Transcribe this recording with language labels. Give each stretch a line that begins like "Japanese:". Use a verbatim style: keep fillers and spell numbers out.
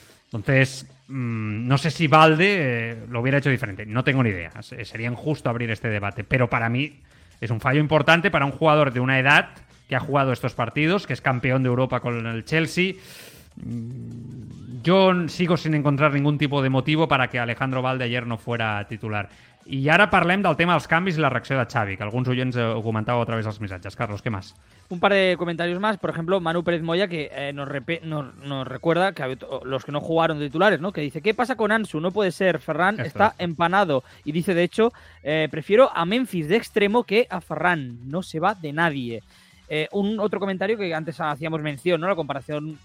Spanish: Entonces, mmm, no sé si Valde eh, lo hubiera hecho diferente. No tengo ni idea. Sería injusto abrir este debate. Pero para mí es un fallo importante para un jugador de una edad que ha jugado estos partidos, que es campeón de Europa con el Chelsea. Yo sigo sin encontrar ningún tipo de motivo para que Alejandro Valde ayer no fuera titular.
Catalan: I ara parlem del tema dels canvis i la reacció de Xavi, que alguns oients ho comentàveu a través dels missatges. Carlos, què més?
Spanish: Un par de comentarios más. Por ejemplo, Manu Pérez Moya, que eh, nos, repe- nos, nos recuerda que los que no jugaron de titulares, ¿no? Que dice, ¿qué pasa con Ansu? No puede ser, Ferran Esto está es. empanado. Y dice, de hecho, eh, prefiero a Memphis de extremo que a Ferran. No se va de nadie. Eh, un otro comentario que antes hacíamos mención, ¿no? La comparación...